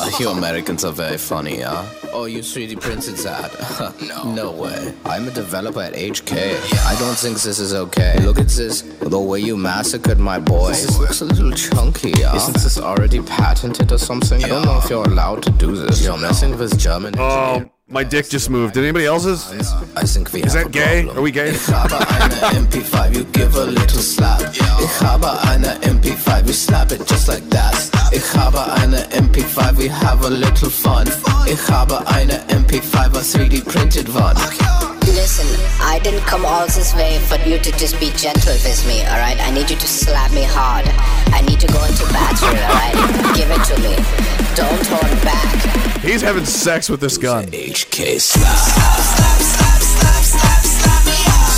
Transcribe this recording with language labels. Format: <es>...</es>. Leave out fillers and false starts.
<en>You Americans are very funny, huh? Oh, you 3D printed that? No way. I'm a developer at HK. I don't think this is okay. Look at this. The way you massacred my boy. This looks a little chunky, huh? Isn't this already patented or something? Yeah. I don't know if you're allowed to do this. You're messing with German engineer. Oh. My dick just moved. Did anybody else's? I think we is that gay? Problem. Are we gay?</en> <de>Ich habe eine MP5,</de> <en>you give a little slap. Ich habe eine MP5, we slap it just like that.</en> <de>Ich habe eine MP5,</de> <en>we have a little fun. Ich habe eine MP5, a 3D printed one. Listen, I didn't come all this way for you to just be gentle with me, alright? I need you to slap me hard. I need to go into battery, alright? Give it to me. Don't hold back. He's having sex with this gun. HK slap. Slap, slap, slap, slap, slap, slap me up.</en>